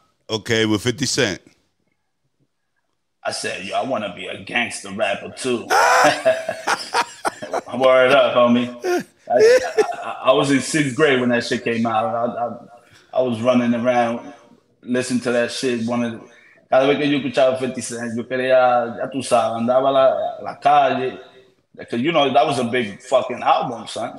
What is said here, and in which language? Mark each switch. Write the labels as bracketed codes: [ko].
[en] Okay, with 50 Cent. I said, yo, I want to be a gangster rapper too. Word up, homie. I was in sixth grade when that shit came out. I was running around, listening to that shit. [es] Cada vez que yo escuchaba 50 Cent, yo quería, ya tú sabes, andaba la calle. [en] Because, you know, that was a big fucking album, son.